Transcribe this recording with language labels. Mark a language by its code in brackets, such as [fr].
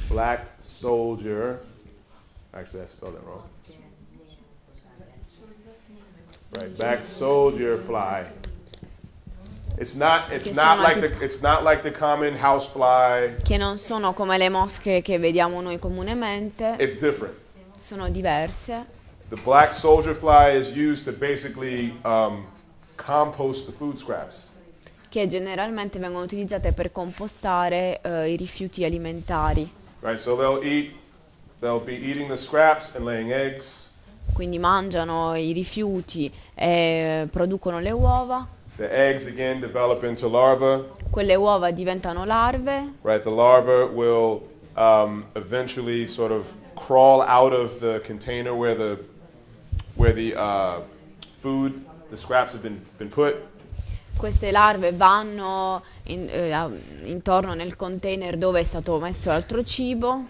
[en] Black soldier. Actually, I spelled it wrong. Right, black soldier fly. It's not like the common house fly. [it] Che non sono come le mosche che vediamo noi comunemente. [en] It's different. [it] Sono diverse. [en] The black soldier fly is used to basically compost the food scraps. [it] Che generalmente vengono utilizzate per compostare i rifiuti alimentari. [en] Right, so they'll be eating the scraps and laying eggs. [it] Quindi mangiano i rifiuti e producono le uova. [en] The eggs again develop into larvae. [it] Quelle uova diventano larve. [en] Right, the larva will eventually sort of crawl out of the container where the food. The scraps have been put. [it] Queste larve vanno intorno nel container dove è stato messo altro cibo.